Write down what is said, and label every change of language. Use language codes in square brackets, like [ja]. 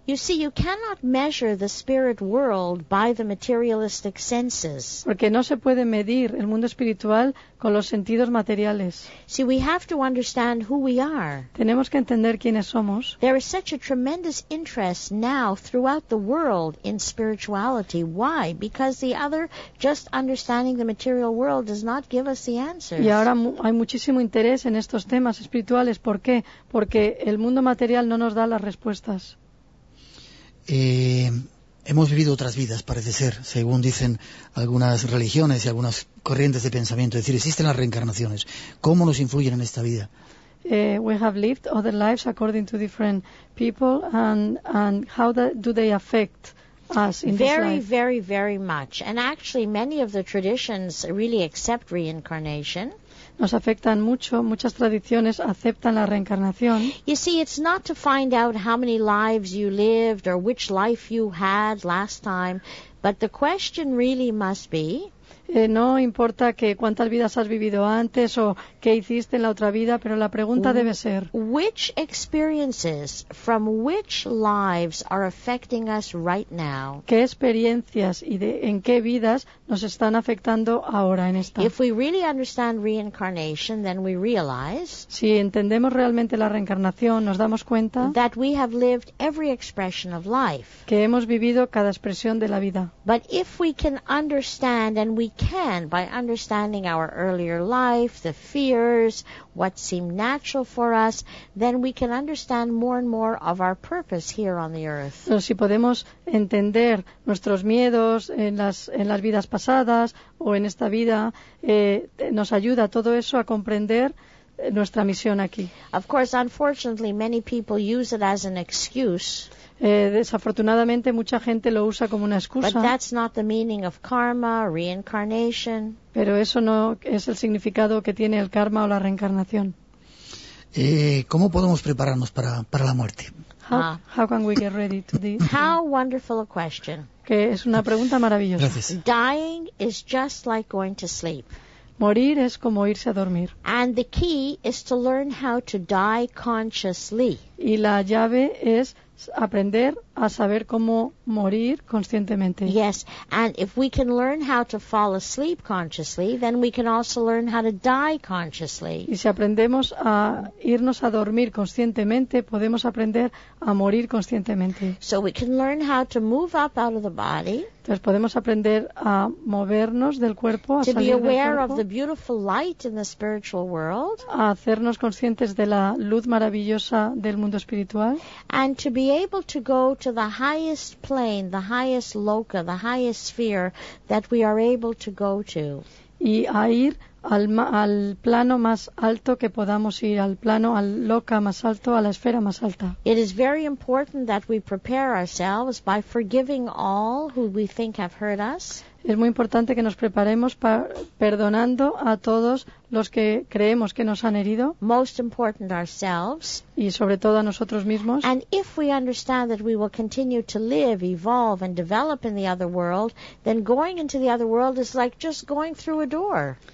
[en] You see, you cannot measure the spirit world by the materialistic senses. [es] Porque no se puede medir el mundo espiritual con los sentidos materiales. [en] See, we have to understand who we are. [es] Tenemos que entender quiénes somos. [en] There is such a tremendous interest now throughout the world in spirituality. Why? Because the other, just understanding the material world, does not give us the answers. [es] Y ahora hay muchísimo interés en estos temas espirituales. ¿Por qué? Porque el mundo material no nos da las respuestas. Hemos vivido otras vidas, parece ser, según dicen algunas religiones y algunas corrientes de pensamiento. Es decir, existen las reencarnaciones. ¿Cómo nos influyen en esta vida? [en] we have lived other lives according to different people, and how do they affect us in very, this life? Very, very, very much. And actually, many of the traditions really accept reincarnation. [es] Nos afectan mucho, muchas tradiciones aceptan la reencarnación. [en] You see, it's not to find out how many lives you lived or which life you had last time, but the question really must be, [es] No importa que cuántas vidas has vivido antes o qué hiciste en la otra vida, pero la pregunta debe ser, [en] which experiences from which lives are affecting us right now? [es] ¿Qué experiencias y en qué vidas nos están afectando ahora en esta? [en] If we really understand reincarnation, then we realize, [es] si entendemos realmente la reencarnación, nos damos cuenta, [en] that we have lived every expression of life, [es] que hemos vivido cada expresión de la vida. [en] But if we can understand, and we can, by understanding our earlier life, the fears, what seemed natural for us, then we can understand more and more of our purpose here on the earth. [es] Pero si podemos entender nuestros miedos en las vidas pasadas o en esta vida, nos ayuda todo eso a comprender nuestra misión aquí. [en] Of course, unfortunately, many people use it as an excuse. [es] Desafortunadamente, mucha gente lo usa como una excusa. [en] But that's not the meaning of karma, reincarnation. [es] Pero eso no es el significado que tiene el karma o la reencarnación. ¿Cómo podemos prepararnos para la muerte? [en] How can we get ready to die? How wonderful a question. [es] Que es una pregunta maravillosa. Gracias. [en] Dying is just like going to sleep. [es] Morir es como irse a dormir. [en] And the key is to learn how to die consciously. [es] Y la llave es aprender a saber cómo morir conscientemente. [en] Yes, and if we can learn how to fall asleep consciously, then we can also learn how to die consciously. [es] Y si aprendemos a irnos a dormir conscientemente, podemos aprender a morir conscientemente. [en] So we can learn how to move up out of the body. [es] Entonces podemos aprender a movernos del cuerpo, a salir del cuerpo. [en] To be aware of the beautiful light in the spiritual world. [es] A hacernos conscientes de la luz maravillosa del mundo espiritual. [en] And to be able to go to the highest plane, the highest loka, the highest sphere that we are able to go to. [es] Y a ir al plano más alto que podamos ir, al plano, al loka más alto, a la esfera más alta. [en] It is very important that we prepare ourselves by forgiving all who we think have hurt us. [es] Es muy importante que nos preparemos perdonando a todos los que creemos que nos han herido. [en] Most important ourselves. [es] Y sobre todo a nosotros mismos. [en] And if we understand that we will continue to live, evolve and develop in the other world, then going into the other world is like just going through a door.